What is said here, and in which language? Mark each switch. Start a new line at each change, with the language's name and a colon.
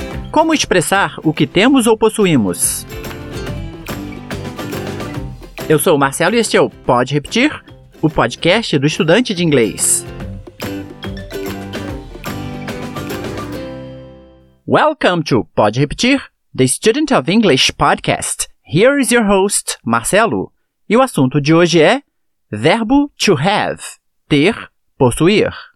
Portuguese: Como expressar o que temos ou possuímos? Eu sou o Marcelo e este é o Pode Repetir, o podcast do estudante de inglês.
English: Welcome to Pode Repetir, the Student of English Podcast. Here is your host, Marcelo.
Portuguese: E o assunto de hoje é verbo to have, ter, possuir.